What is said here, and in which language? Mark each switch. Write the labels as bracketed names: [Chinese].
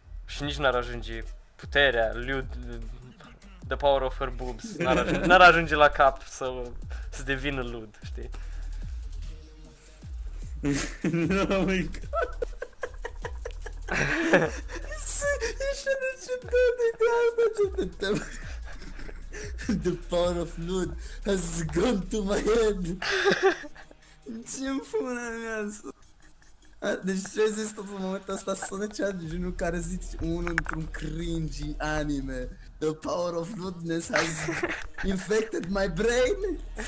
[Romanian] Și nici n-ar ajunge puterea, lewd, [English] the power of her boobs, [Romanian] n-ar ajunge la cap să devină lewd, știi? [English] Oh my god! [Romanian] Ești în început de gama, ce te temi? [English] The power of lewd has gone to my head! [Romanian] Ce-mi pune mea asta? Deci ce ai zis tot în momentul ăsta? Sună ceva de genul care zici unul într-un cringy anime. [English] The power of rudeness has infected my brain.